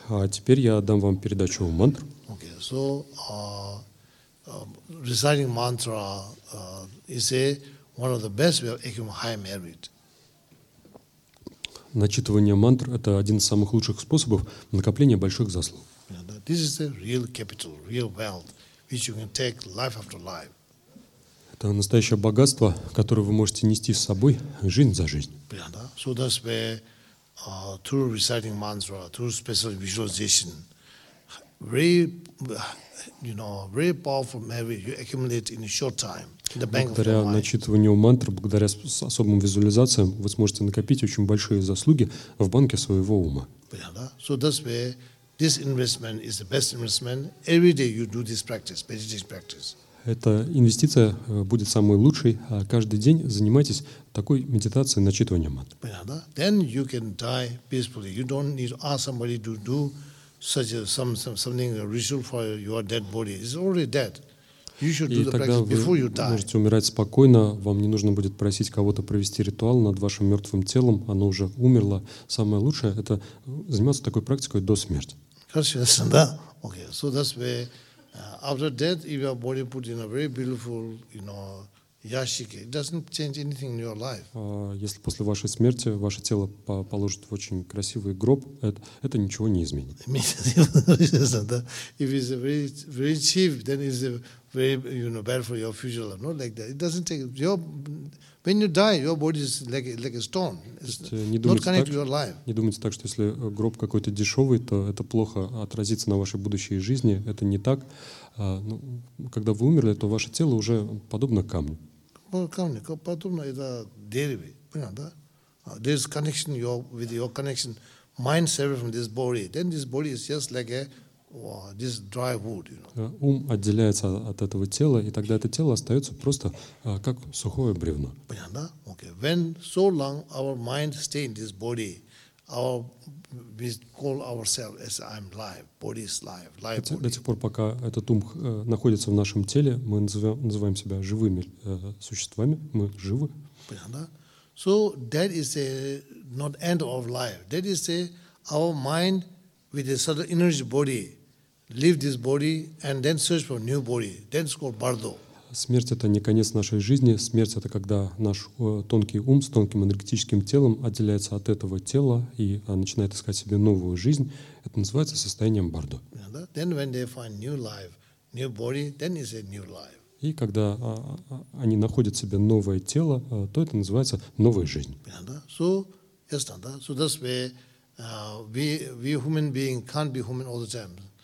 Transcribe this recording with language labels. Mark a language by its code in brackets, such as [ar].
[ru] Теперь я дам вам передачу мантру. [en] Okay, so reciting mantra is one of the best ways of accumulating high merit. [ru] Начитывание мантр – это один из самых лучших способов накопления больших заслуг. [en] This is the real capital, real wealth, which you can take life after life. [ru] Это настоящее богатство, которое вы можете нести с собой жизнь за жизнь. [en] So that's where through reciting mantra, through special visualization, very powerful merit you accumulate in a short time in the bank of your mind. [ru] Благодаря начитыванию мантр, благодаря особым визуализациям, вы сможете накопить очень большие заслуги в банке своего ума. [en] So that's where this investment is the best investment. Every day you do this practice, meditation practice. [ru] Эта инвестиция будет самой лучшей. Каждый день занимайтесь такой медитацией, начитыванием мантры. [en] Then you can die peacefully. You don't need to ask somebody to do such a something a ritual for your dead body. It's already dead. You should do the practice before you die. [ru] И тогда вы можете умирать спокойно. Вам не нужно будет просить кого-то провести ритуал над вашим мертвым телом. Оно уже умерло. Самое лучшее – это заниматься такой практикой до смерти. Хорошо, да? [en] Okay, so that's where after death, if your body put in a very beautiful, yashik, it doesn't change anything in your life. [ru] Если после вашей смерти ваше тело положат в очень красивый гроб, это ничего не изменит. [en] If it's very cheap, then it's very, bad for your future. Not like that. It doesn't take when you die, your body is like a stone. It's not connected to your life. [ru] Не думайте так, что если гроб какой-то дешевый, то это плохо отразится на вашей будущей жизни. Это не так. Когда вы умерли, то ваше тело уже подобно камню. Подобно это дереве. Понятно, да? [en] There's connection with your connection. Mind separate from this body. Then this body is just like this dry wood. [ru] Ум отделяется от этого тела, и тогда это тело остается просто как сухое бревно. Понятно? [en] Okay. When so long our mind stays in this body, we call ourselves as I'm live. Body is live. Life. Body. [ru] До тех пор, пока этот ум находится в нашем теле, мы называем себя живыми существами. Мы живы. Понятно? [en] So that is not end of life. That is our mind with a certain energy body. leave this body and then search for new body. That's called bardo. [ru] Смерть — это не конец нашей жизни. Смерть — это когда наш тонкий ум с тонким энергетическим телом отделяется от этого тела и начинает искать себе новую жизнь. Это называется состоянием бардо. [en] Then when they find new life, new body, then is a new life. [ru] И когда они находят себе новое тело, то это называется новая жизнь. [en] So, yes, so that's where we human being can't be human all the time.